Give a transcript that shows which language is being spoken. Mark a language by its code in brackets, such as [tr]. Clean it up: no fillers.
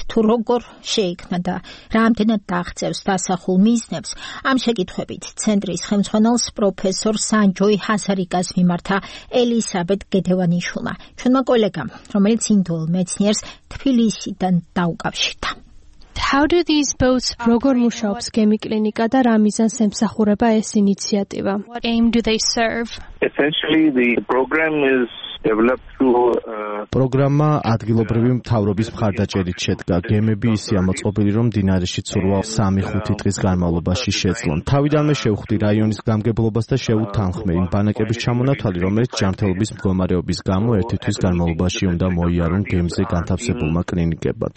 [ka] თუ როგორ შეიქმნა და რამდენად დაღწევს დასახულ მიზნებს, ამ შეკითხვებით ცენტრის ხელმძღვანელს პროფესორ სანჯოი ჰაზარიკას მიმართა ელისაბედ გედევანიშვილმა, ჩვენმა კოლეგამ, რომელიც ინდოელ მეცნიერს თბილისიდან დაუკავშირდა. [en] How do these boats [ka] როგორ მუშაობს გემი კლინიკა და რა მიზანს ემსახურება ეს ინიციატივა? [en] What aim do they serve? Essentially the program is [ka] პროგრამა ადგილობრივი მთავრობის მხარდაჭერით შედგა. გემები ისე ამოწყობილი, რომ დინარეში ცურვა 3-5 დღის განმავლობაში შეძლონ. თავიდანვე შევხვდი რაიონის გამგებლობას და შევუთანხმე იმ ბანაკების ჩამონათვალი, რომელიც ჯანმრთელობის მდგომარეობის გამო ერთი თვის განმავლობაში უნდა მოიარონ გემზე განთავსებულმა კლინიკებმა.